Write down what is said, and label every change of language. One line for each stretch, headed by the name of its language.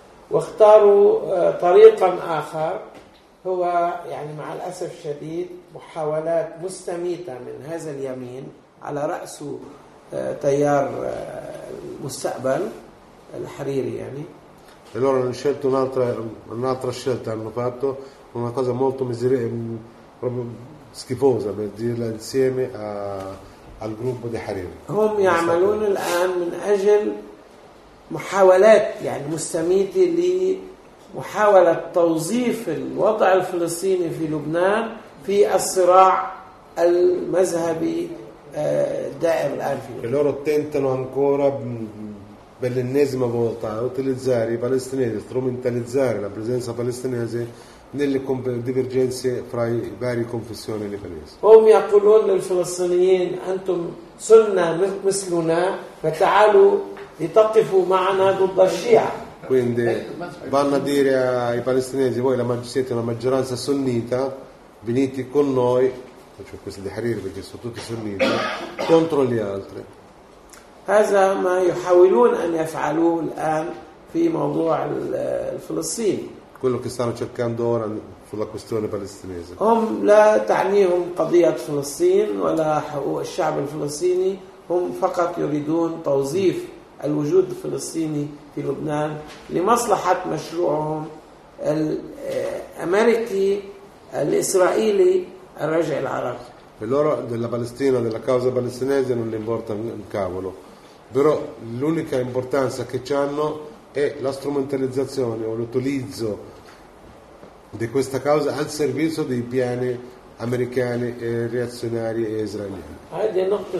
Arabic: واختاروا طريقا آخر هو يعني مع الأسف الشديد محاولات مستميتة من هذا اليمين على رأسه تيار المستقبل الحريري يعني.
Italian: E loro hanno scelto un'altra scelta, hanno fatto una cosa molto proprio schifosa per dirla insieme al gruppo di Hariri.
Arabic: هم يعملون الآن من أجل محاولات يعني مستميتة لمحاولة توظيف الوضع الفلسطيني في لبنان في الصراع المذهبي دائم الآن في لبنان.
Italian: E loro tentano ancora per l'ennesima volta a utilizzare i palestinesi, strumentalizzare la presenza palestinese nelle divergenze fra i vari confessioni libanesi.
Arabic: هم يقولون للفلسطينيين أنتم سنة مثلنا فتعالوا لتقفوا معنا ضد الشيعة.
Italian: Quindi vanno a dire ai palestinesi voi siete una maggioranza sunnita, venite con noi, cioè questi di Hariri perché sono tutti sunniti, contro gli altri.
Arabic: هذا ما يحاولون أن يفعلوه الآن في موضوع الفلسطين.
Italian: Quello che stanno cercando ora sulla questione palestinese.
Arabic: هم لا تعنيهم قضية فلسطين ولا حقوق الشعب الفلسطيني. هم فقط يريدون توظيف الوجود الفلسطيني في لبنان لمصلحة مشروعهم الأمريكي الإسرائيلي الرجع العربي.
Italian: E loro della Palestina, della causa palestinese non le importa un cavolo. Però l'unica importanza che hanno è la strumentalizzazione o l'utilizzo di questa causa al servizio dei piani americani e reazionari e israeliani.